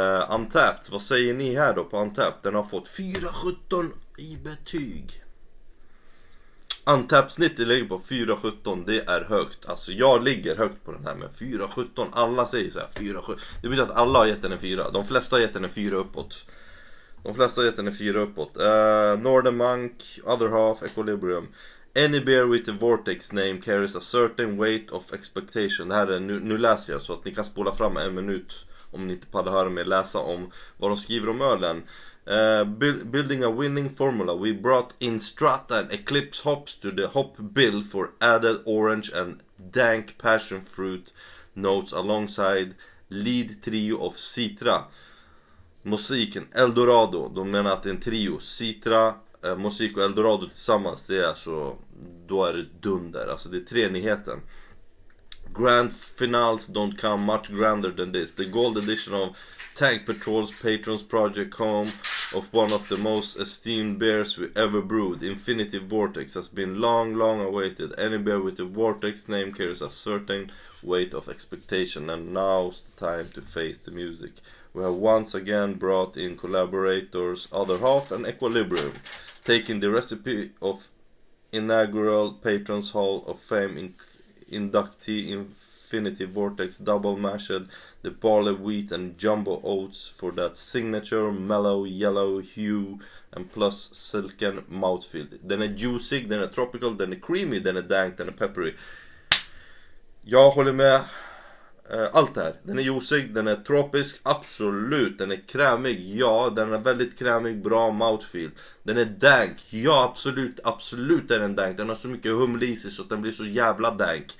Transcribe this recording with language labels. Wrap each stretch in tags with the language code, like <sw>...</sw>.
<sv>Untapped, vad säger ni här då på Untapped? Den har fått 4,17 i betyg. Antäppsnittet ligger på 4,17. Det är högt. Alltså jag ligger högt på den här med 4,17. Alla säger så här 4,17. Det betyder att alla har gett den en 4. De flesta har gett den en 4 uppåt. De flesta har gett den en 4 uppåt. Northern Monk, Other Half, Equilibrium.</sv> <en>Any beer with a Vortex name carries a certain weight of expectation.</en> <sv>Det här är, nu läser jag så att ni kan spola fram en minut. Om ni inte paddar höra mig läsa om vad de skriver om ölen.</sv> <en>Building a winning formula, we brought in Strata and Eclipse hops to the hop bill for added orange and dank passion fruit notes alongside lead trio of Citra, Mosaic and El Dorado.</en> <sv>De menar att det är en trio, Citra, Mosaic och El Dorado tillsammans, det är alltså, då är det dunder, alltså det är treenigheten.</sv> <en>Grand finals don't come much grander than this. The gold edition of Tankpetrol's Patrons Project home of one of the most esteemed beers we ever brewed. Infinity Vortex has been long, long awaited. Any beer with the Vortex name carries a certain weight of expectation. And now's the time to face the music. We have once again brought in collaborators Other Half and Equilibrium. Taking the recipe of inaugural Patrons Hall of Fame in Inductee Infinity Vortex double mashed the barley wheat and jumbo oats for that signature mellow yellow hue and plus silken mouthfeel.</en> <sv>Den är juicy, den är tropical, den är creamy, den är dank, den är peppery. Jag håller med allt här. Den är juicy, den är tropisk, absolut. Den är krämig, ja, den är väldigt krämig, bra mouthfeel. Den är dank, ja, absolut, absolut är den dank. Den har så mycket humle i sig så att den blir så jävla dank.</sv>